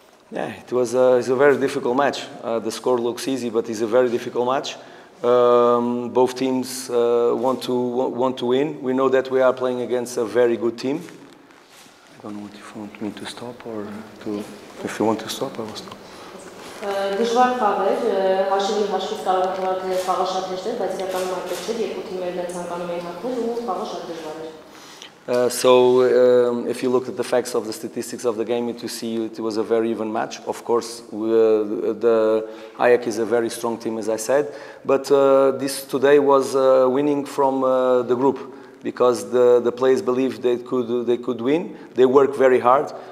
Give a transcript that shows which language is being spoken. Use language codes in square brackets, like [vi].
[en] Yeah, it was a very difficult match. The score looks easy, but it's a very difficult match. Both teams want to win. We know that we are playing against a very good team. I don't know if you want me to stop or to. If you want to stop, I will stop. [hy] Դժվար խաղ էր, հաշվի հաշվից կարող էր թվալ, թե խաղը շատ հեշտ էր, բայց իրականում այդպես չէր, երկու թիմերն էլ ցանկանում էին հաղթել ու խաղը շատ դժվար էր. [en] If you looked at the facts of the statistics of the game, you see it was a very even match. Of course, the AEK is a very strong team, as I said. But this today was winning from the group because the players believed they could win. They work very hard.